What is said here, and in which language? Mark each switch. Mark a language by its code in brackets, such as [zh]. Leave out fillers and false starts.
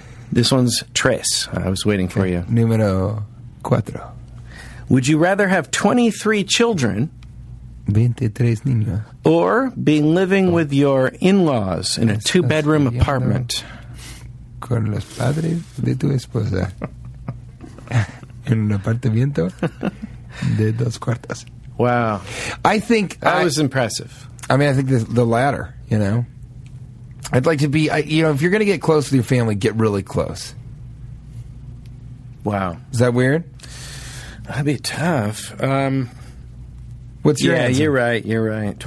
[en] This one's tres. I was waiting for you. [es] Numero cuatro. [en] Would you rather have 23 children... [es] 23 niños. [en] Or be living with your in-laws in a two-bedroom apartment. [es] Con los padres de tu esposa. En un apartamento de dos cuartos. [en] Wow. I think... That was impressive. I mean, I think the latter, you know? I'd like to be... if you're going to get close with your family, get really close. Wow. Is that weird? That'd be tough. What's your answer? Yeah, you're right.